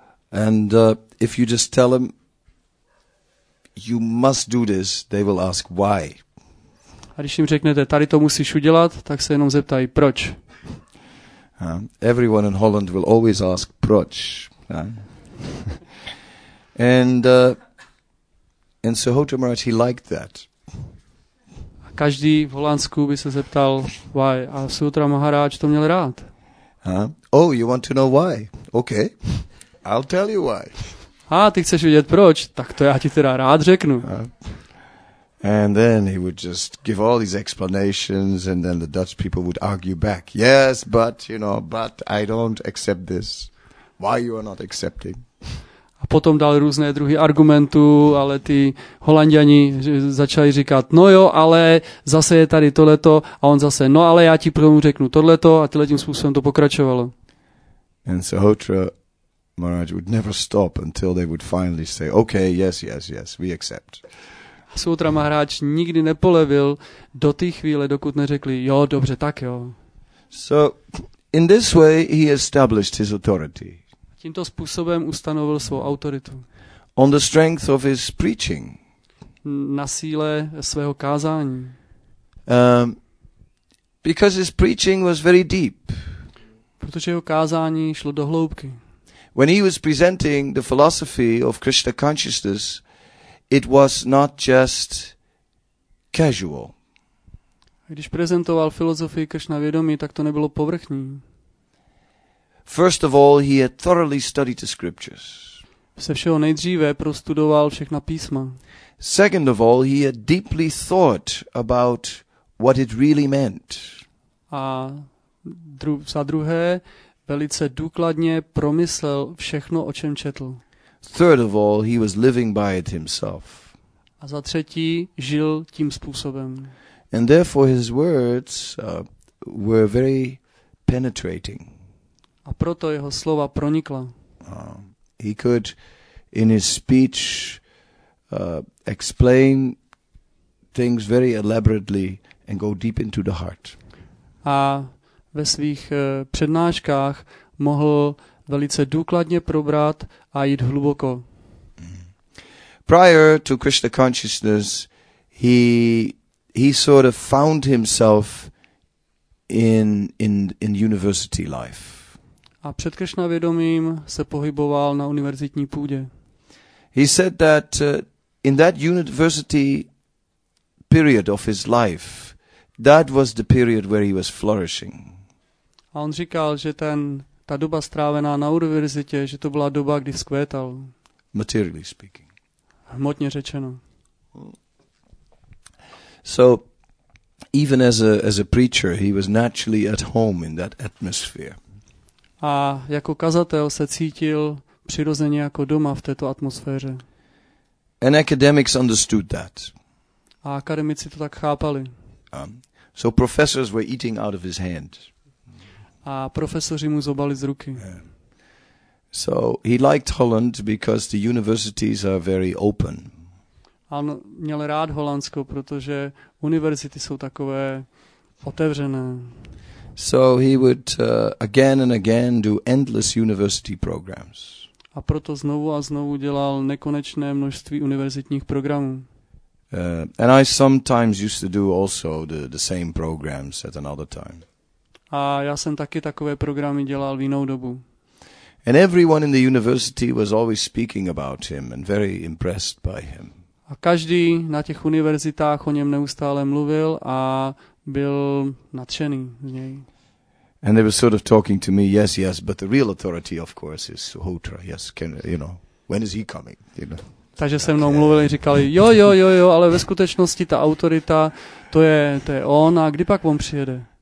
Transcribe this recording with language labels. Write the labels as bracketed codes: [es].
[en] And if you just tell them you must do this, they will ask why. [cs] A když jim řeknete, tady to musíš udělat, tak se jenom zeptají, proč? [en] Everyone in Holland will always ask, [cs] proč? [en] And so Hotemarch, he liked that. [cs] Každý v Holandsku by se zeptal, [en] why? [cs] A Sutra Maharaj to měl rád. [en] Oh, you want to know why? Okay, I'll tell you why. [cs] Ty chceš vědět proč? Tak to já ti teda rád řeknu. [en] And then he would just give all these explanations and then the Dutch people would argue back. Yes, but, you know, but I don't accept this. Why you are not accepting? [cs] A potom dal různé druhy argumentů, ale ty Holanďani začali říkat, no jo, ale zase je tady tohleto a on zase, no ale já ti prvnou řeknu tohleto a tyhle tím způsobem to pokračovalo. [en] And so Hotra Maharaj would never stop until they would finally say, okay, yes, yes, yes, we accept. [cs] Sutra Maharaj nikdy nepolevil do té chvíle, dokud neřekli, jo, dobře, tak jo. [en] So, in this way he established his authority. [cs] Tímto způsobem ustanovil svou autoritu. [en] On the strength of his preaching. [cs] Na síle svého kázání. [en] Because his preaching was very deep. [cs] Protože jeho kázání šlo do hloubky. [en] When he was presenting the philosophy of Krishna consciousness, it was not just casual. [cs] Když prezentoval filozofii Krishna vědomí, tak to nebylo povrchní. [en] First of all, he had thoroughly studied the scriptures. [cs] Se všeho nejdříve prostudoval všechna písma. [en] Second of all, he had deeply thought about what it really meant. [cs] A za druhé, velice důkladně promyslel všechno, o čem četl. [en] Third of all, he was living by it himself. [cs] A za třetí, žil tím způsobem. [en] And therefore his words were very penetrating. [cs] A proto jeho slova pronikla. [en] He could, in his speech, explain things very elaborately and go deep into the heart. [cs] A ve svých přednáškách mohl velice důkladně probrat a jít hluboko. [en] Prior to Krishna consciousness, he sort of found himself in university life. [cs] A před Krishna vědomím se pohyboval na univerzitní půdě. [en] He said that in that university period of his life, that was the period where he was flourishing. [cs] A on říkal, že ta doba strávená na univerzitě, že to byla doba, kdy vzkvétal. [en] Materially speaking. [cs] Hmotně řečeno. [en] So even as a preacher he was naturally at home in that atmosphere. [cs] A jako kazatel se cítil přirozeně jako doma v této atmosféře. [en] And academics understood that. [cs] A akademici to tak chápali. [en] So professors were eating out of his hand. [cs] A profesoři mu zobali z ruky. [en] Yeah. So he liked Holland because the universities are very open. [cs] On měl rád Holandsko, protože univerzity jsou takové otevřené. [en] So he would again and again do endless university programs. [cs] A proto znovu a znovu dělal nekonečné množství univerzitních programů. [en] And I sometimes used to do also the same programs at another time. [cs] A já jsem taky takové programy dělal v jinou dobu. [en] And everyone in the university was always speaking about him and very impressed by him. [cs] A každý na těch univerzitách o něm neustále mluvil a byl nadšený z něj. [en] And they were sort of talking to me, yes, but the real authority of course is Suhotra. Yes, can you know, when is he coming, you know? [cs] Takže se mnou mluvili, říkali, jo, ale ve skutečnosti ta autorita, to je on, a kdy pak on přijede?